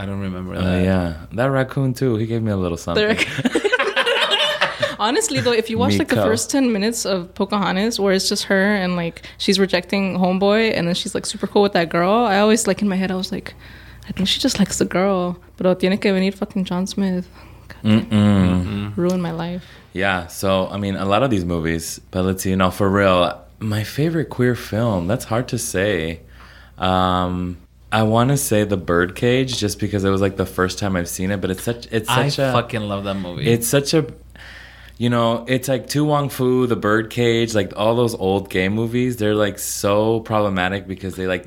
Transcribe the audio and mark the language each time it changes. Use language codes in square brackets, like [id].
[en] I don't remember that. Yeah. That raccoon, too. He gave me a little something. Honestly, though, if you watch, Miko. Like, the first 10 minutes of Pocahontas, where it's just her and, like, she's rejecting homeboy, and then she's, like, super cool with that girl, I always, like, in my head, I was like, I think she just likes the girl. [es] Pero tiene que venir fucking John Smith. [en] Mm-mm. Ruin my life. Yeah. So, I mean, a lot of these movies, but let's see. Now, for real, my favorite queer film, that's hard to say. I want to say The Birdcage, just because it was like the first time I've seen it, but I fucking love that movie. It's such a, you know, it's like Tu Wong Fu, The Birdcage, like all those old gay movies, they're like so problematic because they like...